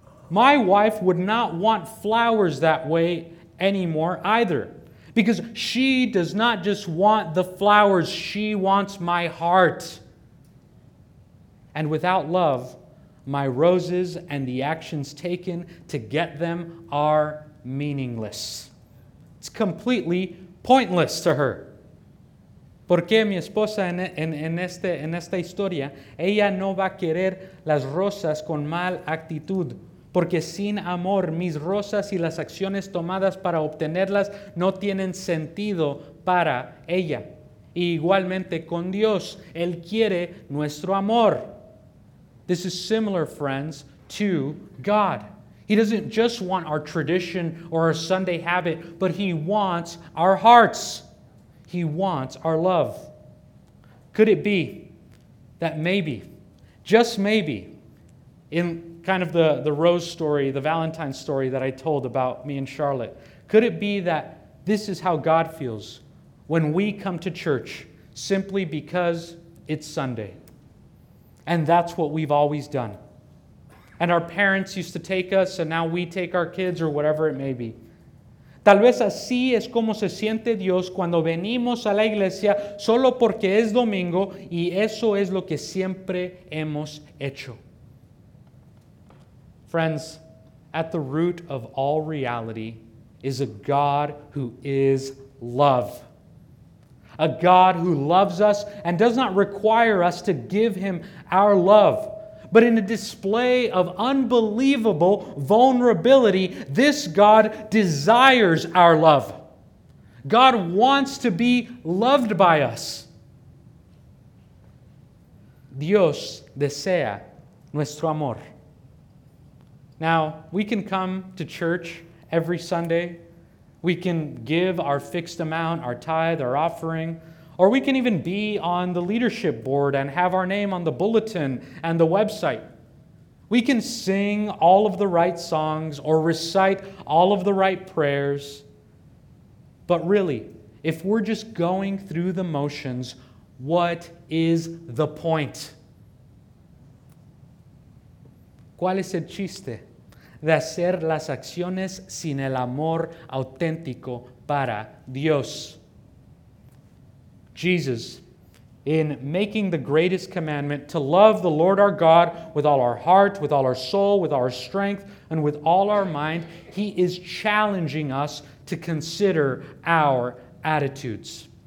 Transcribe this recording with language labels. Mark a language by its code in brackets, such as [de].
[en] My wife would not want flowers that way anymore either, because she does not just want the flowers, she wants my heart. And without love, my roses and the actions taken to get them are meaningless. It's completely pointless to her. [es] Porque mi esposa en esta historia, ella no va a querer las rosas con mal actitud, porque sin amor mis rosas y las acciones tomadas para obtenerlas no tienen sentido para ella. Y igualmente con Dios, Él quiere nuestro amor. [en] This is similar, friends, to God. He doesn't just want our tradition or our Sunday habit, but He wants our hearts. He wants our love. Could it be that maybe, just maybe, in kind of the rose story, the Valentine story that I told about me and Charlotte, could it be that this is how God feels when we come to church simply because it's Sunday? And that's what we've always done. And our parents used to take us, and now we take our kids, or whatever it may be. [es] Tal vez así es como se siente Dios cuando venimos a la iglesia solo porque es domingo y eso es lo que siempre hemos hecho. [en] Friends, at the root of all reality is a God who is love. A God who loves us and does not require us to give Him our love. But in a display of unbelievable vulnerability, this God desires our love. God wants to be loved by us. [es] Dios desea nuestro amor. [en] Now, we can come to church every Sunday. We can give our fixed amount, our tithe, our offering. Or we can even be on the leadership board and have our name on the bulletin and the website. We can sing all of the right songs or recite all of the right prayers. But really, if we're just going through the motions, what is the point? [es] ¿Cuál es el chiste de hacer las acciones sin el amor auténtico para Dios? [en] Jesus, in making the greatest commandment to love the Lord our God with all our heart, with all our soul, with our strength, and with all our mind, He is challenging us to consider our attitudes.